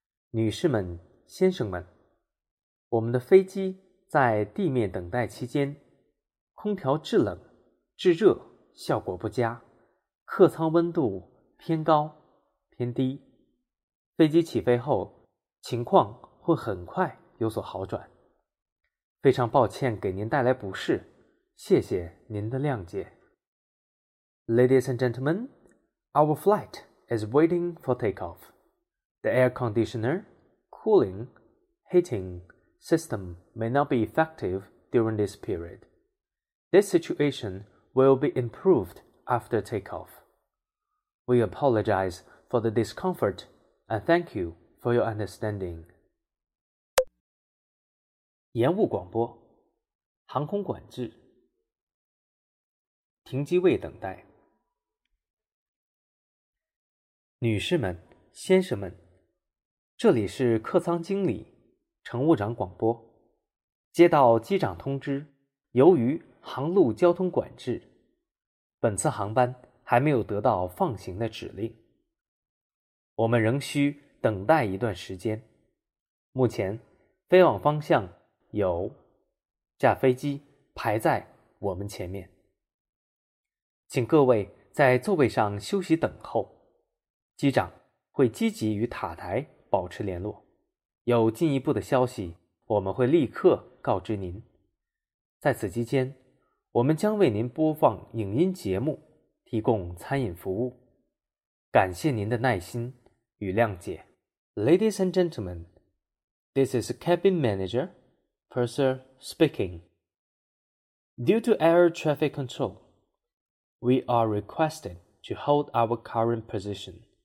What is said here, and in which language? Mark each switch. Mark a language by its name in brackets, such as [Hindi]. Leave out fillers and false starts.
[Chinese] 女士们、先生们，我们的飞机在地面等待期间，空调制冷、制热效果不佳，客舱温度偏高、偏低。飞机起飞后，情况会很快有所好转。非常抱歉给您带来不适，谢谢您的谅解。 [English] Ladies and gentlemen, our flight is waiting for takeoff. The air conditioner, cooling, heating system may not be effective during this period. This situation will be improved after takeoff. We apologize for the discomfort and thank you for your understanding. [Chinese] 延误广播，航空管制，停机位等待。女士们、先生们，这里是客舱经理、乘务长广播，接到机长通知，由于航路交通管制，本次航班还没有得到放行的指令，我们仍需等待一段时间。目前飞往方向有架飞机排在我们前面，请各位在座位上休息等候，机长会积极与塔台保持联络，有进一步的消息我们会立刻告知您。在此期间，我们将为您播放影音节目，提供餐饮服务。感谢您的耐心与谅解。 [English] Ladies and gentlemen, this is Cabin Manager, Purser speaking. Due to air traffic control, we are requested to hold our current position.